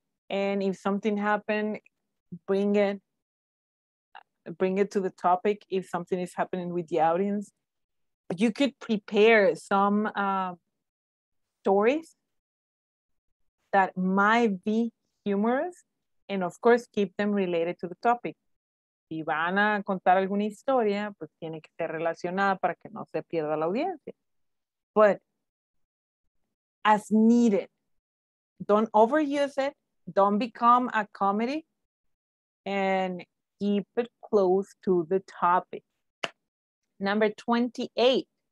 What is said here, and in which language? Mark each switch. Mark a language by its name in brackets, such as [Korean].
[English] And if something happened, bring it to the topic. If something is happening with the audience, you could prepare some stories that might be humorous, and of course keep them related to the topic. [Spanish] Si van a contar alguna historia, pues tiene que ser relacionada para que no se pierda la audiencia. [English] But as needed, don't overuse it, don't become a comedy, and keep it close to the topic. Number 28.